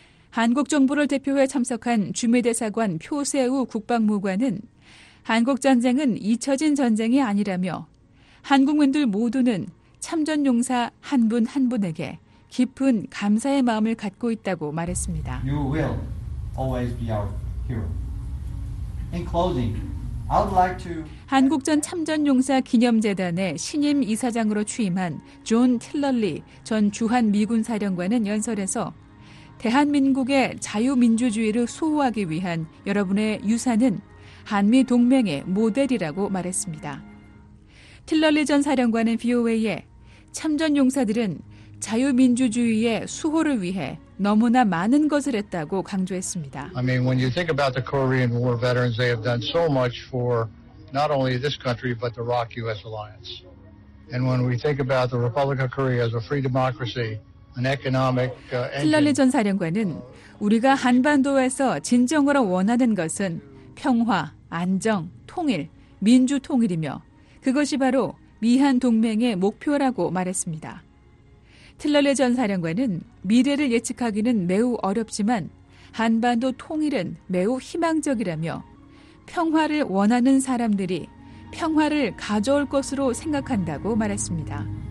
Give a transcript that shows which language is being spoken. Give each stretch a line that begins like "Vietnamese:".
Korean: 한국 정부를 대표해 참석한 주미대사관 표세우 국방무관은 한국전쟁은 잊혀진 전쟁이 아니라며 한국민들 모두는 참전용사 한 분 한 분에게 깊은 감사의 마음을 갖고 있다고 말했습니다.
English: You will always be our hero. In closing, I would like to
Korean: 한국전 참전용사 기념재단의 신임 이사장으로 취임한 존 틸러리 전 주한 미군 사령관은 연설에서 대한민국의 자유민주주의를 수호하기 위한 여러분의 유산은 한미 동맹의 모델이라고 말했습니다. 틸러리 전 사령관은 VOA에 참전 용사들은 자유민주주의의 수호를 위해 너무나 많은 것을 했다고 강조했습니다.
English: I mean, when you think about the Korean War veterans, they have done so much for not only this country but the ROK-US alliance. And when we think about the Republic of Korea as a free democracy, an economic engine.
Korean: 틸러리 전 사령관은 우리가 한반도에서 진정으로 원하는 것은 평화, 안정, 통일, 민주 통일이며 그것이 바로 미한 동맹의 목표라고 말했습니다. 틸러리 전 사령관은 미래를 예측하기는 매우 어렵지만 한반도 통일은 매우 희망적이라며 평화를 원하는 사람들이 평화를 가져올 것으로 생각한다고 말했습니다.